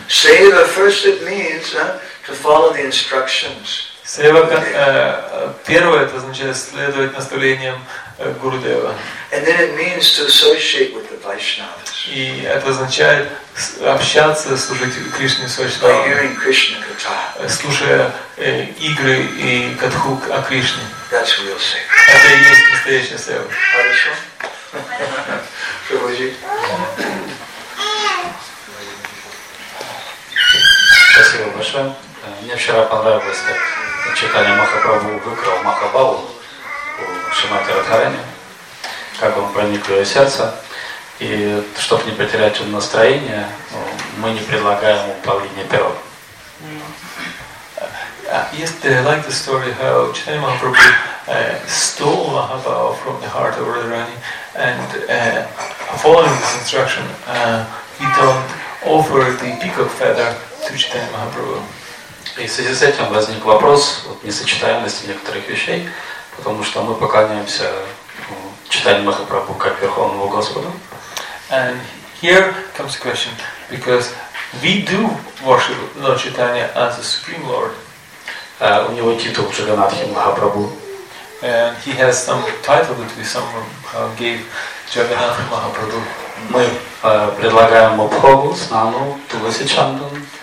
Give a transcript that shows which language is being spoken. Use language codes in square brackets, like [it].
[en] Seva, first it means to follow the instructions. [ru] Сева-ка. Первое, это означает следовать наставлениям Гурудева. [en] And then it means to associate with the Vaishnavas. [ru] И это означает общаться, служить Кришне с Вайшнавами. [en] By hearing Krishna Katha. [ru] Слушая игры и катху о Кришне. [en] That's real seva. [ru] Это и есть настоящая сева. Хорошо. Спасибо большое. Мне вчера понравилось, как читание Махапрабху выкрал Махабалу. Шимати Радхарани, как он проник в ее сердце. И чтобы не потерять настроение, мы не предлагаем ему павлинье перо. [en] Yesterday, I liked the story how Chaitanya Mahaprabhu stole Mahabhava from the heart of Radharani and following this instruction, you don't offer the peacock feather to Chaitanya Mahaprabhu. [ru] И в связи с этим возник вопрос вот несочетаемости некоторых вещей, потому что мы поклоняемся Чайтанья Махапрабху как Верховному Господу. [en] And here comes the question, because we do worship Lord Chaitanya as the Supreme Lord. [ru] У него титул Джаганатхи Махапрабху. [en] And he has some title that we somehow gave Джаганатхи Махапрабху. [ru] Мы предлагаем Мабхогу, Снану, Туласи Чандан.